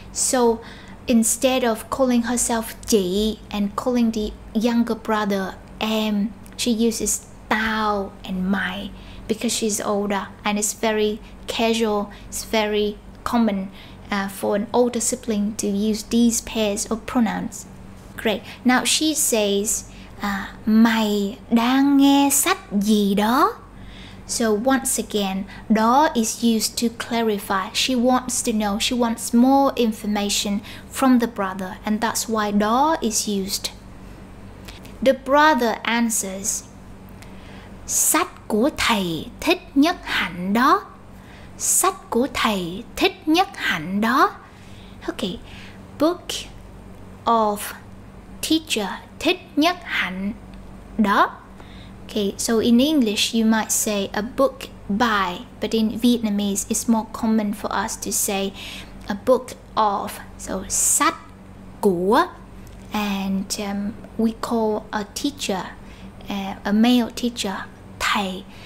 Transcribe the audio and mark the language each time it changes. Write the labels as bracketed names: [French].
[English] So instead of calling herself chị and calling the younger brother em, she uses tao and mày because she's older, and it's very casual, it's very common for an older sibling to use these pairs of pronouns. Great. Now she says, [Vietnamese] mày đang nghe sách gì đó? [English] So once again, đó is used to clarify. She wants to know, she wants more information from the brother, and that's why đó is used. The brother answers, [Vietnamese] sách của thầy thích nhất hạnh đó. Sách của thầy thích nhất hạnh đó. [English] Okay, book of teacher [Vietnamese] thích nhất hạnh đó. [English] Okay, so in English you might say a book by, but in Vietnamese it's more common for us to say a book of. So [Vietnamese] sách của, [English] and we call a teacher, a male teacher, thầy.